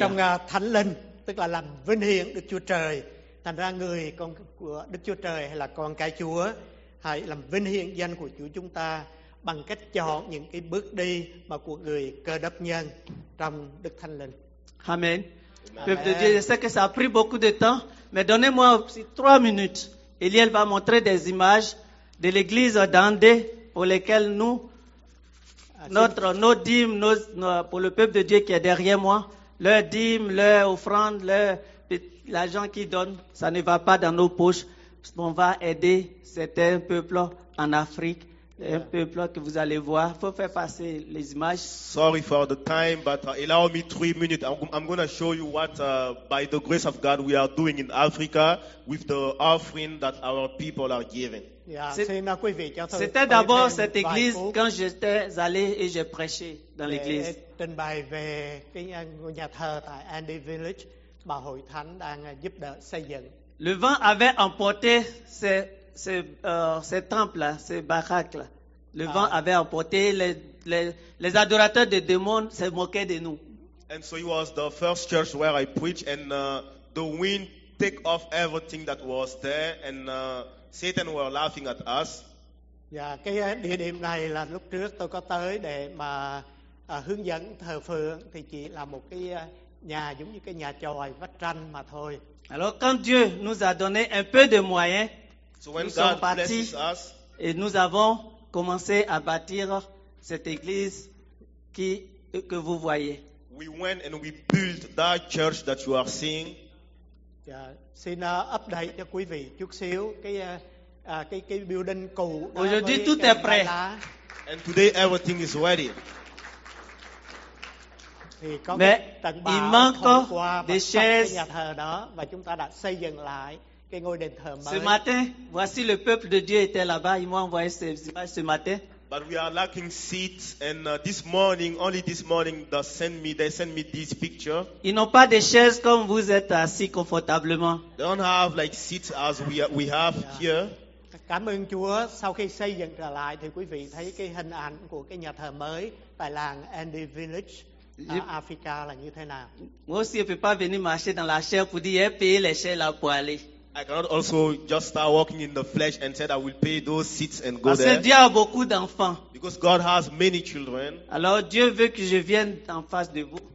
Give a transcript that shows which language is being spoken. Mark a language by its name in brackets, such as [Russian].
[Vietnamese] Trong thánh linh, tức là làm vinh hiển Đức Chúa Trời, thành ra người con của Đức Chúa Trời hay là con cái Chúa. Hãy làm vinh hiển danh của Chúa chúng ta bằng cách chọn những cái bước đi mà của người cơ đốc nhân trong Đức Thánh Linh. Amen. [French] Peuple de Dieu, je sais que ça a pris beaucoup de temps, mais donnez-moi aussi 3 minutes. Eliel va montrer des images de l'église d'Andé pour lesquelles nous, notre, nos dîmes, pour le peuple de Dieu qui est derrière moi, leurs dîmes, leurs offrandes, l'argent qu'ils donnent, ça ne va pas dans nos poches. On va aider certains peuples en Afrique, un peuple que vous allez voir. Il faut faire passer les images. [English] Sorry for the time, but allow me 3 minutes. I'm going to show you what, by the grace of God, we are doing in Africa with the offering that our people are giving. [French] C'était d'abord cette église quand j'étais allé et j'ai prêché dans l'église. [Vietnamese] Trình bày về nhà thờ tại Andy Village mà Hội Thánh đang giúp đỡ xây dựng. [French] Le vent avait emporté ces temples, ces baraques. Le vent avait emporté les adorateurs des démons se moquaient de nous. [English] And so it was the first church where I preached, and the wind took off everything that was there, and Satan were laughing at us. [Vietnamese] Yeah, cái địa điểm này là lúc trước tôi có tới để mà hướng dẫn thờ phượng thì chỉ là một cái nhà giống như cái nhà chòi vách tranh mà thôi. [French] Alors quand Dieu nous a donné un peu de moyens, nous sommes partis et nous avons commencé à bâtir cette église que vous voyez. [English] We went and we built that church that you are seeing. [Vietnamese] Xin update cho quý vị chút xíu cái building cũ. [French] Aujourd'hui tout est prêt. [English] And today everything is ready. [French] Mais il manque des chaises. Ce matin, voici le peuple de Dieu était là-bas. Ils m'ont envoyé ces images ce matin. [English] But we are lacking seats, and this morning, only this morning, they sent me this picture. [French] Ils n'ont pas de chaises comme vous êtes assis confortablement. [English] They don't have like seats as we have here. [Vietnamese] Cảm ơn Chúa, sau khi xây dựng trở lại thì quý vị thấy cái hình ảnh của cái nhà thờ mới tại làng Andy Village. Africa là như thế nào? [French] Moi aussi, je peux pas venir marcher dans la chair pour dire payer les chaises là pour aller. [English] I cannot also just start walking in the flesh and said I will pay those seats and go [French] there. Parce que Dieu a beaucoup d'enfants. [English] Because God has many children. [French] Alors Dieu veut que je vienne en face de vous.